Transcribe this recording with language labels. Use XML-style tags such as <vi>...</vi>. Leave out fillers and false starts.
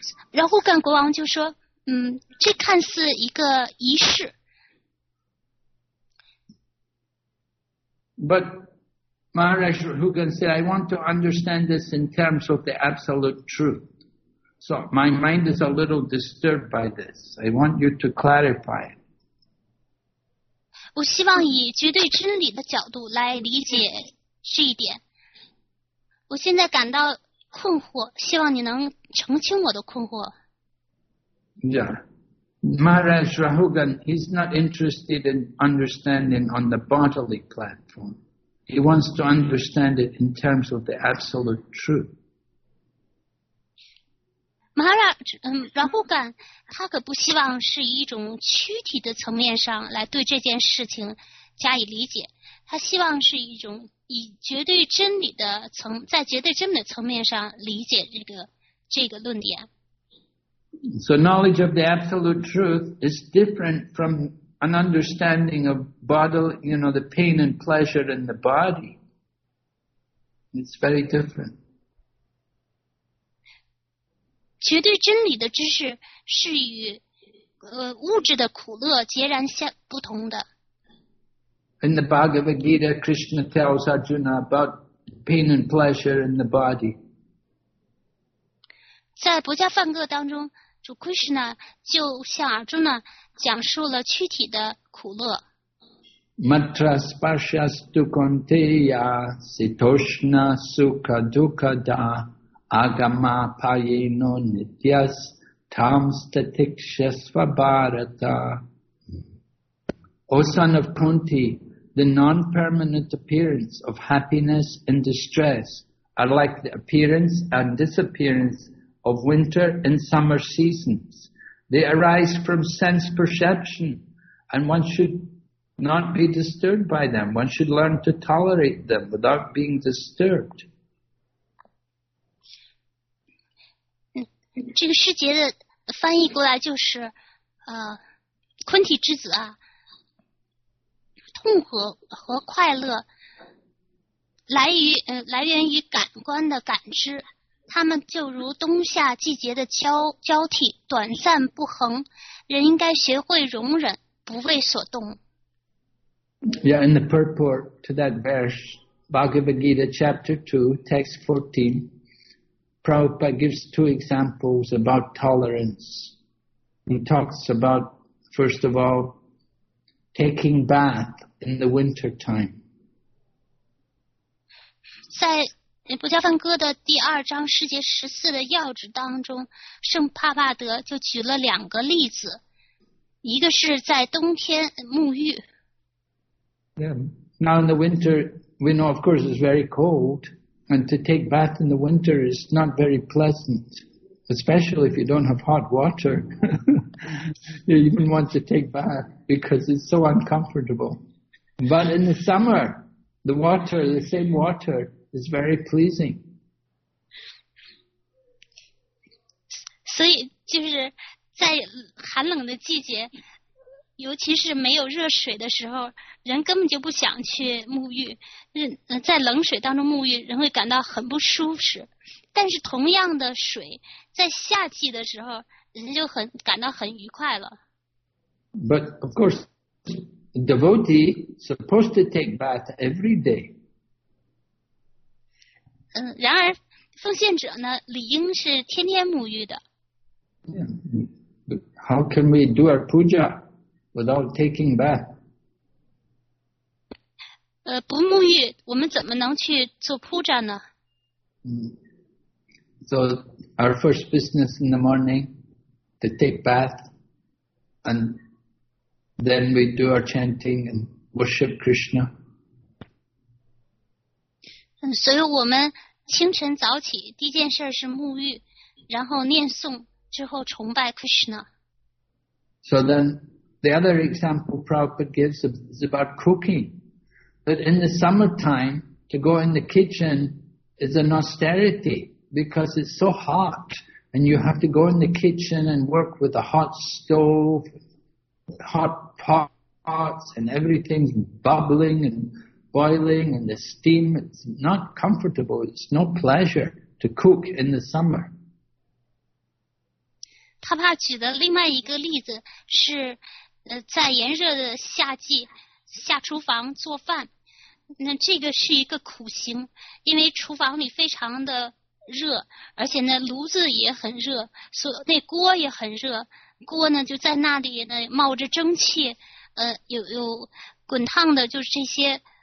<zh>然后跟国王就说，这看似一个仪式。</zh> <en>But Maharaj Rahugan said, I want to understand this in terms of the absolute truth. So my mind is a little disturbed by this. I want you to clarify it.</en> <zh>我希望以绝对真理的角度来理解这一点。我现在感到困惑，希望你能澄清我的困惑。</zh> <en>Yeah. Maharaj Rahugan, he's not interested in understanding on the bodily platform. He wants to understand it in terms of the absolute truth.</en> <zh>Maharaj Rahugan, 他可不希望是以一种躯体的层面上来对这件事情加以理解，他希望是一种以绝对真理的层，在绝对真理的层面上理解这个论点。</zh> <en>So knowledge of the absolute truth is different from an understanding of bodily, you know, the pain and pleasure in the body. It's very different.</en> <zh>绝对真理的知识是与物质的苦乐截然相不同的。</zh> <en>In the Bhagavad Gita, Krishna tells Arjuna about pain and pleasure in the body.</en> <zh>在《薄伽梵歌》当中，主 Krishna 就向 Arjuna 讲述了躯体的苦乐。</zh> <sa>Matra sparsha stukanteya sitoshna sukha dukada. Agama payeno nityas tamstatikshasvabharata.</sa> <en>O son of Kunti, the non-permanent appearance of happiness and distress are like the appearance and disappearance of winter and summer seasons. They arise from sense perception, and one should not be disturbed by them. One should learn to tolerate them without being disturbed.</en> <zh>这个诗节的翻译过来就是，昆体之子啊，痛苦 和快乐来源于感官的感知，它们就如冬夏季节的交替，短暂不恒。人应该学会容忍，不为所动。</zh> <en>Yeah, in the purport to that verse, Bhagavad Gita, chapter 2, text 14. Prabhupada gives two examples about tolerance. He talks about, first of all, taking bath in the winter time.</en> <zh>在《薄伽梵歌》的第二章十节十四的要旨当中，圣帕帕德就举了两个例子，一个是在冬天沐浴。</zh> <en>Yeah. Now in the winter, we know, of course, it's very cold. And to take bath in the winter is not very pleasant, especially if you don't have hot water. You even want to take bath because it's so uncomfortable. But in the summer, the water, the same water, is very pleasing.</en> <zh>所以就是在寒冷的季节，尤其是没有热水的时候，人根本就不想去沐浴，在冷水当中沐浴，人会感到很不舒适。但是同样的水，在夏季的时候，人就很感到很愉快了。</zh> <en>But of course, devotee supposed to take bath every day.</en> <zh>然而奉献者呢，理应是天天沐浴的。</zh> <en>Yeah. How can we do our puja without taking bath?</en> <zh>不沐浴，我们怎么能去做 puja 呢？</zh> <en>So our first business in the morning, to take bath, and then we do our chanting and worship Krishna.</en> <zh>所以我们清晨早起，第一件事是沐浴，然后念诵，之后崇拜 Krishna.</zh> <en>So then, the other example Prabhupada gives is about cooking. But in the summertime, to go in the kitchen is an austerity because it's so hot, and you have to go in the kitchen and work with a hot stove, hot pots, and everything's bubbling and boiling, and the steam, it's not comfortable, it's no pleasure to cook in the summer.</en> <zh>他怕举的另外一个例子是在炎热的夏季下厨房做饭，那这个是一个苦行，因为厨房里非常的热，而且呢炉子也很热，所以那锅也很热，锅呢就在那里呢冒着蒸汽，有滚烫的，就是这些</zh>